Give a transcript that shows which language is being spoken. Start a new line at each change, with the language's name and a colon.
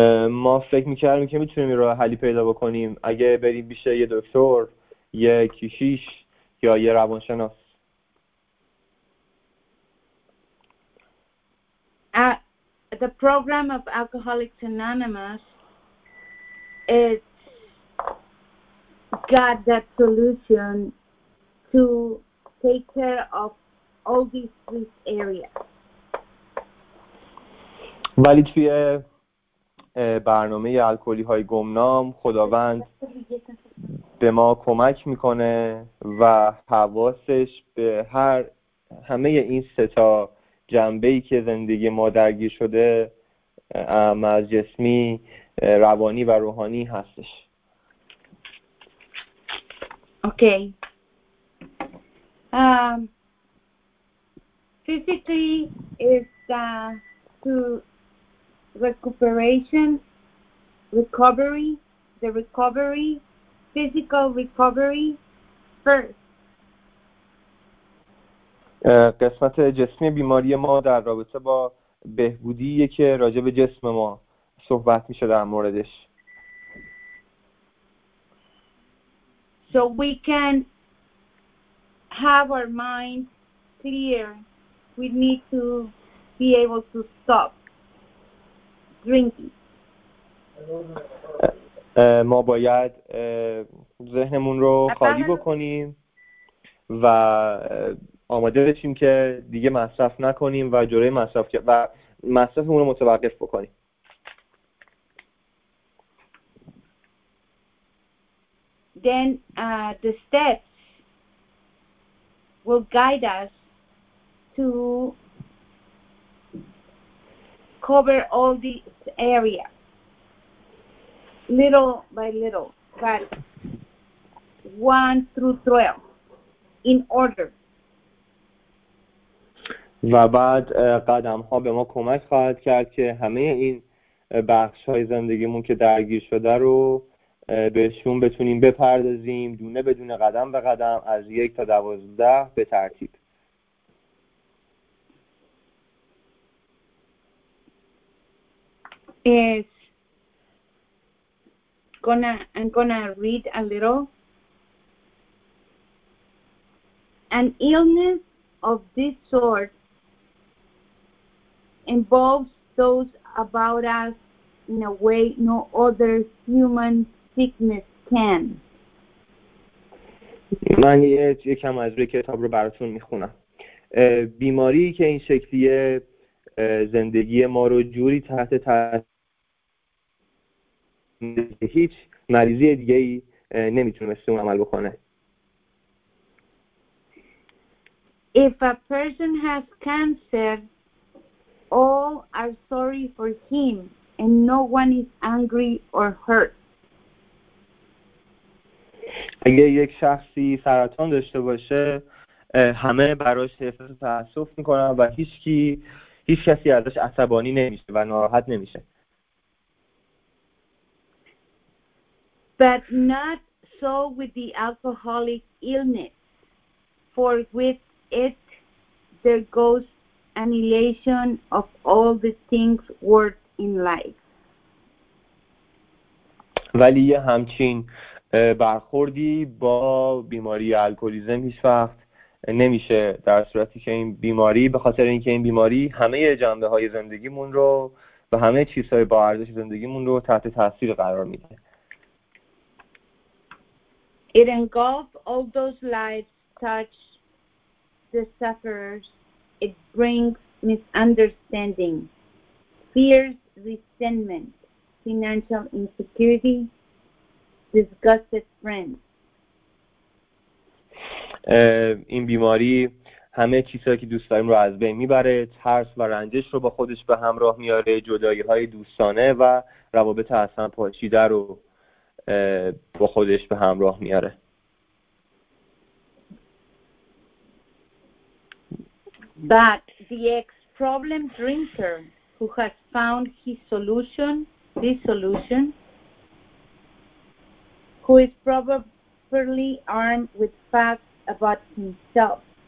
Persian: ما فکر می‌کردیم که می‌تونیم راه حلی پیدا بکنیم اگه بریم پیش یه دکتر، یه کشیش یا یه روانشناس.
English: The program of Alcoholics Anonymous is got that solution to take care of all these three areas.
Persian: ولی توی برنامه الکلی های گمنام خداوند به ما کمک میکنه و حواسش به هر همه این سه تا جنبه‌ای که زندگی ما درگیر شده، اما از جسمی، روانی و روحانی هستش.
English: Okay. Physically is to recuperation, recovery, the recovery, physical recovery first.
Persian: قسمت جسمی بیماری ما در رابطه با بهبودیه که راجع به جسم ما صحبت میشه در موردش.
English: So we can have our mind clear. We need to be able to stop drinking.
Persian: ما باید ذهنمون رو خالی بکنیم و آماده بشیم که دیگه مصرف نکنیم و جلوی مصرف و مصرفمون رو متوقف بکنیم.
English: Then the steps will guide us to cover all this area little by little, but 1 through 12 in order.
Persian: و بعد قدم ها به ما کمک خواهد کرد که همه این بخش های زندگیمون که درگیر شده رو بهشون بتونیم بپردازیم دونه بدونه، قدم به قدم، از 1 تا 12 به ترتیب.
English: I'm gonna read a little. An illness of this sort involves those about us in a way no other human sickness can.
Persian: من یکم از روی کتاب رو براتون میخونم. بیماری که این شکلیه زندگی ما رو جوری تحت تاثیر هیچ مریضی دیگه ای نمیتونه مثل اون عمل بکنه.
English: If a person has cancer, all are sorry for him and no one is angry or hurt.
Persian: اگه یک شخصی سرطان داشته باشه همه براش احساس تأسف میکنن و هیچ کسی ازش عصبانی نمیشه و ناراحت نمیشه.
English: But not so with the alcoholic illness, for with it there goes annihilation of all the things worth in life.
Persian: ولی یه همچین برخوردی با بیماری الکلیزم هیچ وقت نمیشه، در صورتی که این بیماری، به خاطر اینکه این بیماری همه جنبه های زندگیمون رو و همه چیزهای با ارزش زندگیمون رو تحت تاثیر قرار میده.
English: It engulfs all those lives touch the sufferers. It brings misunderstanding, fears, resentment, financial insecurity, disgusted friends.
Persian: این بیماری همه چیزهایی که دوست داریم رو از بین میبره، ترس و رنجش رو با خودش به همراه میاره، جدایی های دوستانه و روابط اصلا پاشیده رو با خودش به همراه میاره.
English: But the ex-problem drinker who has found his solution, this solution, who is probably armed with facts about himself.